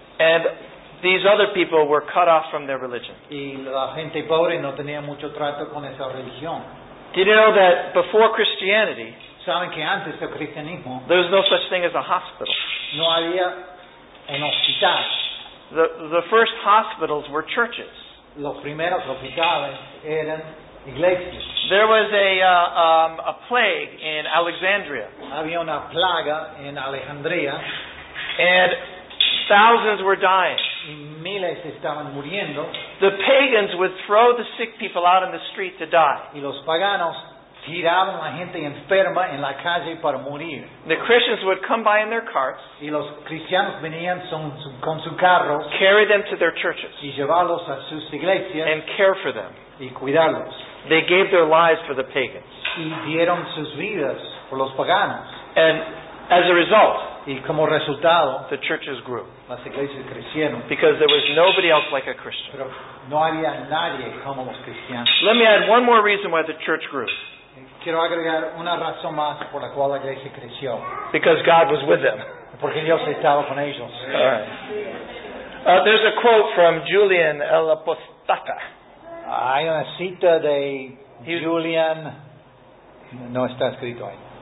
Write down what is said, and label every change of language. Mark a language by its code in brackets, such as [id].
[en] And these other people were cut off from their religion. [es] Y la gente pobre no tenía mucho trato con esa religión. [en] Did you know that before Christianity, [es] saben que antes del cristianismo, [en] there was no such thing as a hospital. [es] No había un hospital. [en] The first hospitals were churches. [es] Los primeros hospitales eran iglesias. [en] There was a plague in Alexandria. [es] Había una plaga en Alejandría. [en] And thousands were dying. [es] Miles estaban muriendo. [en] The pagans would throw the sick people out in the street to die. [es] Y los paganos tiraban la gente enferma en la calle para morir. [en] The Christians would come by in their carts. [es] Y los cristianos venían con sus carros. [en] Carry them to their churches. [es] Y llevarlos a sus iglesias. [en] And care for them. [es] Y cuidarlos. [en] They gave their lives for the pagans. [es] y dieron sus vidas por los paganos. [en] And as a result, [es] y como resultado, [en] the churches grew. [es] Las iglesias crecieron. [en] Because there was nobody else like a Christian. [es] Pero no había nadie como los cristianos. [en] Let me add one more reason why the church grew. [es] Quiero agregar una razón más por la cual la iglesia creció. [en] Because God was with them. [es] Porque Dios estaba con ellos. [en] All right. There's a quote from Julian el Apostata. [es] Hay una cita de Julian. No está escrito ahí.